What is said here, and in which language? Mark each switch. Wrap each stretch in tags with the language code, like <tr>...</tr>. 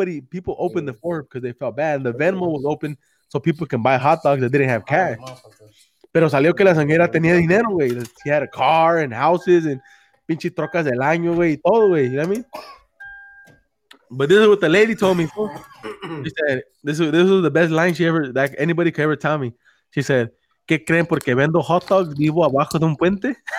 <en>People opened the form because they felt bad. And the Venmo was open so people can buy hot dogs that didn't have cash.</en> <es>Pero salió que la sanguera tenía dinero, güey.</es> <en>She had a car and houses and</en> <es>pinche trocas del año, güey. Todo, güey.</es> <en>You know what I mean? But this is what the lady told me. She said, this is the best line anybody could ever tell me. She said,</en> <es>¿Qué creen? Porque vendo hot dogs vivo abajo de un puente.</es>